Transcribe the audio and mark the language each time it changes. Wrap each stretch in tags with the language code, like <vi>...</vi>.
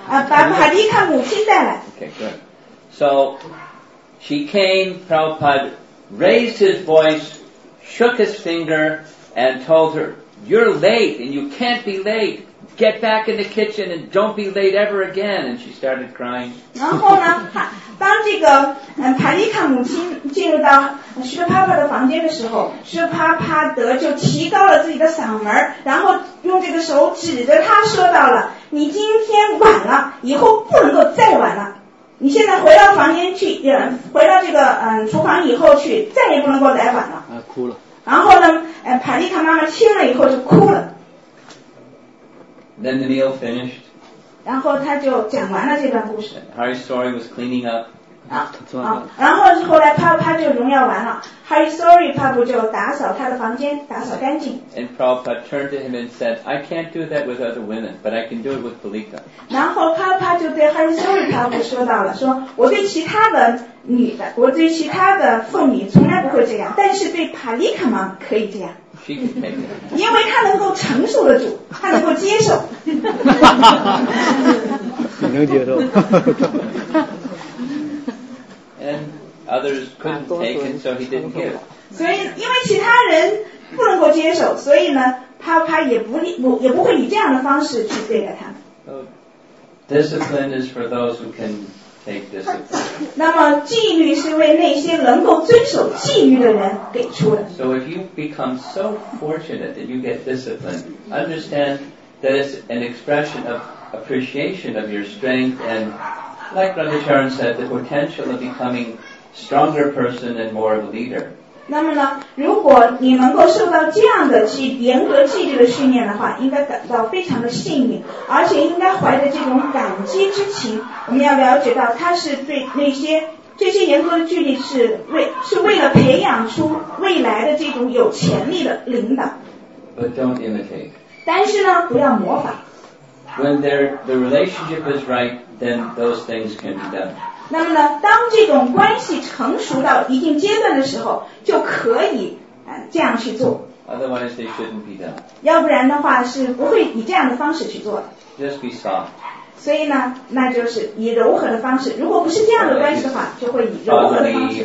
<zh>把 Palika 母亲带来。</zh> <en>Okay, good. So she came, Prabhupada raised his voice, shook his finger, and told her, You're late and you can't be late. Get back in the kitchen and don't be late ever again. And she started crying.</en> <zh>然后呢，当这个帕利卡母亲进入到舒帕帕的房间的时候，舒帕帕德就提高了自己的嗓门，然后用这个手指着他说到了，你今天晚了，以后不能够再晚了。你现在回到房间去，回到这个厨房以后去，再也不能够来晚了。哭了。然后呢，帕利卡妈妈听了以后就哭了。</zh> <en>Then the meal finished.</en> <zh>然后他就讲完了这段故事。</zh> <en>And、Hari Story was cleaning up.</en> <zh>然后后来帕就荣耀完了 ，Hari Story 帕布就打扫他的房间，打扫干净。</zh> <en>And Prabhupada turned to him and said, "I can't do that with other women, but I can do it with Palika."</en> <zh>然后帕就对 Hari Story 帕布说到了，说我对其他的女的，我对其他的妇女从来不会这样，但是对帕利卡嘛可以这样。</zh> <en>She can take it.</en> <zh>因为她能够承受得住，她能够接受。你能接受。</zh> <en>And others couldn't take, and so he didn't give.</en> <zh>所以，因为其他人不能够接受，所以呢，他也不会以这样的方式去对待他。</zh> <en>Discipline is for those who can take discipline.</en> <zh>那么纪律是为那些能够遵守纪律的人给出的。</zh> <en>So if you become so fortunate that you get discipline, understand that it's an expression of appreciation of your strength and, like Brother Sharon said, the potential of becoming stronger person and more of a leader.</en> <zh>那么呢，如果你能够受到这样的严格纪律的训练的话，应该感到非常的幸运，而且应该怀着这种感激之情。我们要了解到，它是对那些这些严格的纪律是为了培养出未来的这种有潜力的领导。</zh> <en>But don't imitate.</en> <zh>但是呢，不要模仿。</zh> <en>When the relationship is right, then those things can be done.</en> <zh>那么呢，当这种关系成熟到一定阶段的时候，就可以这样去做。</zh> <en>Otherwise, they shouldn't be done.</en> <zh>要不然的话是不会以这样的方式去做的。</zh> <en>Just be soft.</en> <zh>所以呢，那就是以柔和的方式。如果不是这样的关系的话，就会以柔和的方式。</zh>